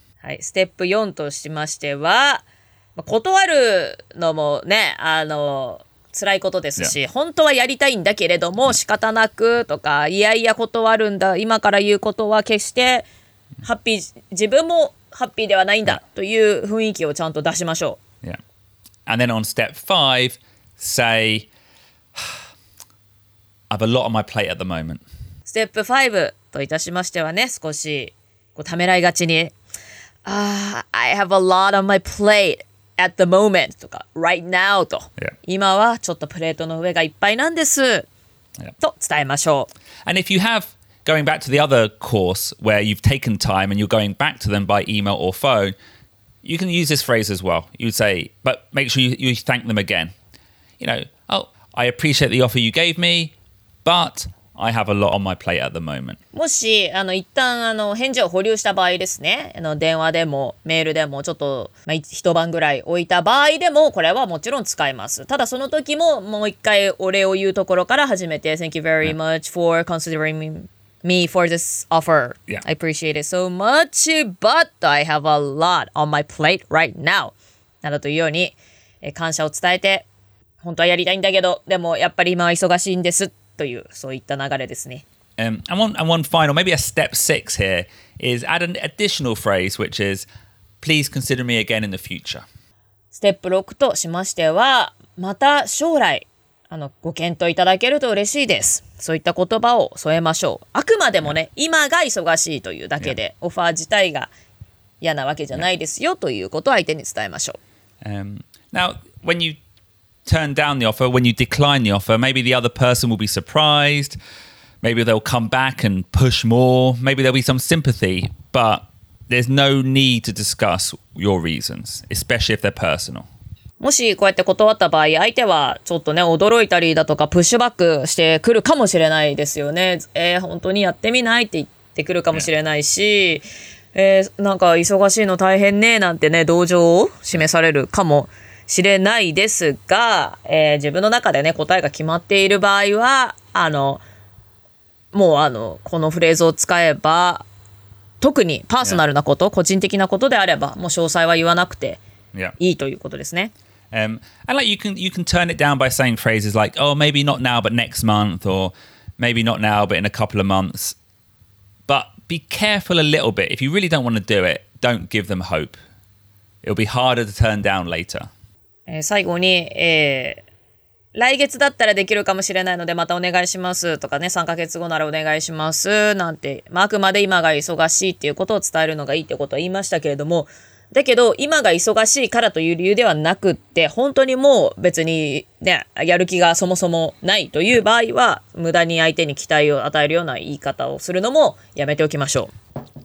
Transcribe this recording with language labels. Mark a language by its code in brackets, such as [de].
[ja] はい、ステップ4としましては、断るのもね、辛いことですし、yeah. 本当はやりたいんだけれども、仕方なくとか、いやいや断るんだ、今から言うことは決して、ハッピー自分もハッピーではないんだという雰囲気をちゃんと出しましょう。 [en] Yeah. And then on step five, say, I have a lot on my plate at the moment. [ja] ステップ5といたしましてはね、少しこうためらいがちに、 [en] I have a lot on my plate at the moment [ja] とか、 [en] right now [ja] と、 [en] yeah. [ja] 今はちょっとプレートの上がいっぱいなんです、 [en] yeah. [ja] と伝えましょう。 [en] And if you haveGoing back to the other course where you've taken time and you're going back to them by email or phone, you can use this phrase as well. You'd say, but make sure you thank them again. You know, oh, I appreciate the offer you gave me, but I have a lot on my plate at the moment. [ja] もし一旦返事を保留した場合ですね、電話でもメールでもちょっと、まあ、一晩ぐらい置いた場合でもこれはもちろん使えます。ただその時ももう一回お礼を言うところから始めて、 [en] Thank you very much for considering meme for this offer. Yeah. I appreciate it so much, but I have a lot on my plate right now. [ja] などというように、感謝を伝えて、本当はやりたいんだけど、でもやっぱり今は忙しいんですという、そういった流れですね。 [en] And one final, maybe a step six here, is add an additional phrase, which is, please consider me again in the future. [ja] ステップ6としましては、また将来、ご検討いただけると嬉しいです。そういった言葉を添えましょう。あくまでもね、yeah. 今が忙しいというだけで、yeah. オファー自体が嫌なわけじゃないですよ、yeah. ということを相手に伝えましょう。 [en] Now, when you turn down the offer, when you decline the offer, maybe the other person will be surprised. Maybe they'll come back and push more. Maybe there'll be some sympathy. But there's no need to discuss your reasons, especially if they're personal. [ja] もしこうやって断った場合、相手はちょっとね、驚いたりだとか、プッシュバックしてくるかもしれないですよね。本当にやってみないって言ってくるかもしれないし、なんか忙しいの大変ねなんてね同情を示されるかもしれないですが、自分の中でね答えが決まっている場合はもうこのフレーズを使えば特にパーソナルなこと、yeah. 個人的なことであればもう詳細は言わなくていいということですね。 [en] Yeah. And like you can turn it down by saying phrases like, oh, maybe not now, but next month, or maybe not now, but in a couple of months. But be careful a little bit. If you really don't want to do it, don't give them hope. It'll be harder to turn down later. [ja] 最後に、来月だったらできるかもしれないのでまたお願いしますとかね、3ヶ月後ならお願いしますなんて、まあ、あくまで今が忙しいっていうことを伝えるのがいいってことを言いましたけれども、だけど今が忙しいからという理由ではなくって、本当にもう別にねやる気がそもそもないという場合は、無駄に相手に期待を与えるような言い方をするのもやめておきましょう。